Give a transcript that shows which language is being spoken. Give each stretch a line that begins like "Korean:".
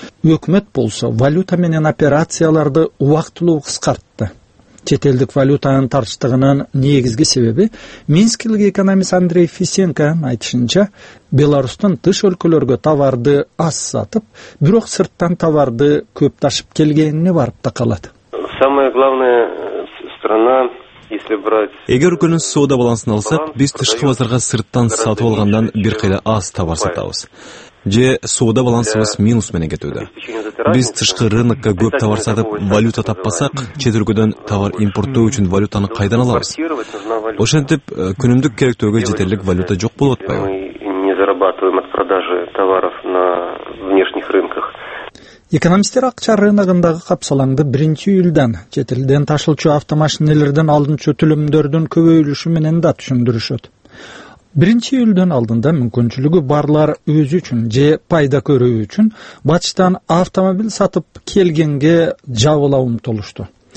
Kyrgyz: Өкмөт болсо валюта менен операцияларды убактылуу кыскартты. Чет элдик валютанын тартыштыгынын негизги себеби Минскилик экономист Андрей Фисенконун айтышынча, Беларусьтун тыш өлкөлөргө товарды аз сатып, бирок сырттан товарды көп ташып келгенине барып такалат.
Russian: Самая главная страна, если брать
Kyrgyz: Эгер өлкөнүн соода балансын алсак, биз тышкы базарга сырттан сатып алгандан бир кайда аз товар сатабыз. Же соода балансыбыз минус менен кетүүдө. Биз тышкы рынокко көп товар сатып, валюта таппасак, чет өлкөдөн товар импорттоо үчүн валютаны кайдан алабыз? Ошентип, күнүмдүк керектөөгө жетерлик валюта жок болуп атпайбы?
Russian: Мы не зарабатываем от продажи товаров на внешних рынках.
Kyrgyz: Экономисттер акча рыногундагы капсалаңды 1 июлдан чет элден ташылчу автомашинелерден алдынчу төлөмдөрдүн көбөйүлүшү менен да түшүндүрүшөт. 1 июлдан алдында мүмкүнчүлүгү барлар өзү үчүн же пайда көрүү үчүн батыштан автомобиль сатып келгенге жабыла умтулушту.